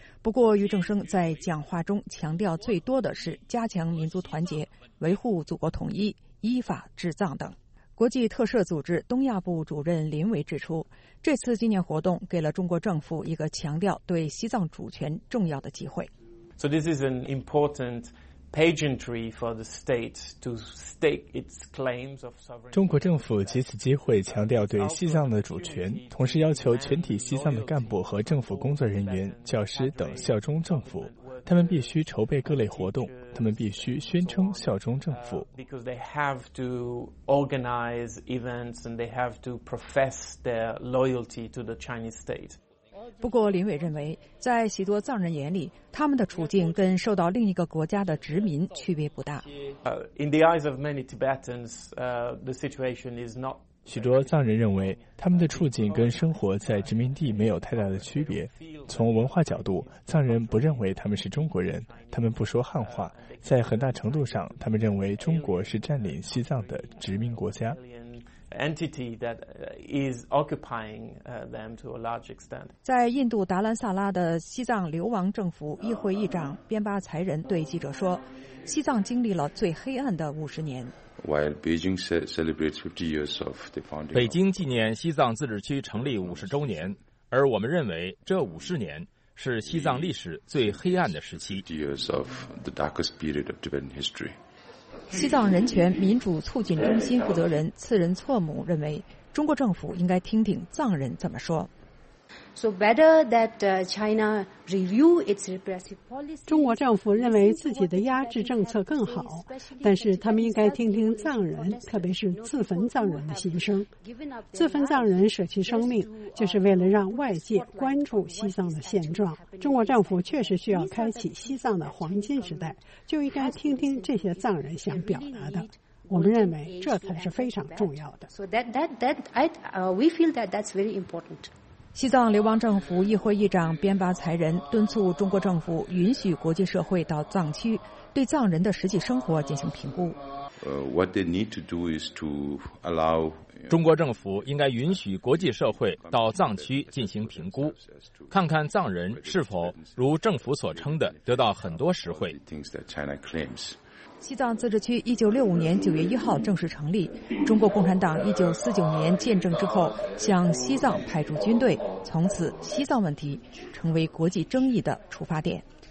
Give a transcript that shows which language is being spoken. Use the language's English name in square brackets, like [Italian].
[Chinese] 不过俞正声在讲话中强调最多的是加强民族团结，维护祖国统一，依法治藏等。国际特赦组织东亚部主任林维指出，这次纪念活动给了中国政府一个强调对西藏主权重要的机会。 [English] So this is an importantpageantry for the state to stake its claims of sovereignty. [Chinese] 中国政府借此机会强调对西藏的主权，同时要求全体西藏的干部和政府工作人员、教师等效忠政府。他们必须筹备各类活动，他们必须宣称效忠政府。 [English] Because they have to organize events and they have to profess their loyalty to the Chinese state. [Chinese] 不过林伟认为，在许多藏人眼里，他们的处境跟受到另一个国家的殖民区别不大。 [English] In the eyes of many Tibetans, the situation is not. [Chinese] 许多藏人认为，他们的处境跟生活在殖民地没有太大的区别。从文化角度，藏人不认为他们是中国人，他们不说汉话，在很大程度上，他们认为中国是占领西藏的殖民国家。 [English] Entity that is occupying them to a large extent. [Chinese] 在印度达兰萨拉的西藏流亡政府议会议长边巴才人对记者说，西藏经历了最黑暗的五十年。 [English] While Beijing celebrates 50 years of the founding, [Chinese] 北京纪念西藏自治区成立50周年，而我们认为这50年是西藏历史最黑暗的时期。 [English] 50 years of the darkest period of Tibetan history. [Chinese] 西藏人权民主促进中心负责人次仁措姆认为，中国政府应该听听藏人怎么说。 [English] So better that China review its repressive policy. [Chinese] 中国政府认为自己的压制政策更好，但是他们应该听听藏人，特别是自焚藏人的心声。自焚藏人舍弃生命，就是为了让外界关注西藏的现状。中国政府确实需要开启西藏的黄金时代，就应该听听这些藏人想表达的。我们认为这才是非常重要的。 [English] So we feel that that's very important. [Chinese] 西藏流亡政府议会议长边巴才人敦促中国政府允许国际社会到藏区，对藏人的实际生活进行评估。 [English] What they need to do is to allow [Chinese] 中国政府应该允许国际社会到藏区进行评估，看看藏人是否如政府所称的得到很多实惠。西藏自治区1965年9月1号正式成立，中国共产党1949年建政之后向西藏派驻军队，从此西藏问题成为国际争议的出发点。